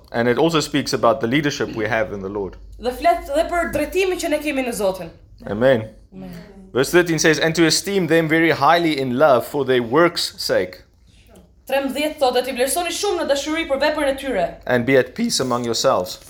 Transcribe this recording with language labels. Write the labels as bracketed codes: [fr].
[en] And it also speaks about the leadership we have in the Lord. [sq] Dhe flet edhe për drejtimin që ne kemi në Zotin. [en] Amen. Verse 13 says, and to esteem them very highly in love for their works' sake. And be at peace among yourselves.